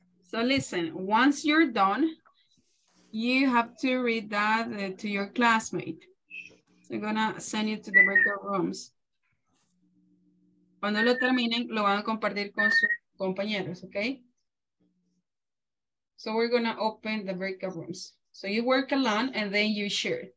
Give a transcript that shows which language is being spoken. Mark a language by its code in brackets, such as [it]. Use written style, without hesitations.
[en] So listen, once you're done, you have to read that to your classmate. So I'm gonna send you to the breakout rooms. [es] Cuando lo terminen, lo van a compartir con sus compañeros, okay? [en] So we're gonna open the breakout rooms. So you work alone and then you share.